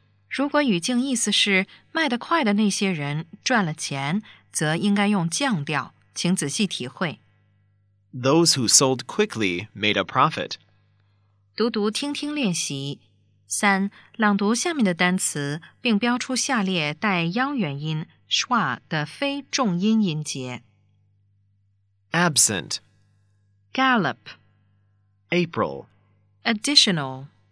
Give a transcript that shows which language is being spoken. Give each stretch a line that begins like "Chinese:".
Chinese: 如果语境意思是卖得快的那些人赚了钱，则应该用降调，请仔细体会。
English: Those who sold quickly made a profit.
Chinese: 读读听听练习。三，朗读下面的单词，并标出下列带央元音 schwa 的非重音音节。
English: Absent, gallop, April, additional,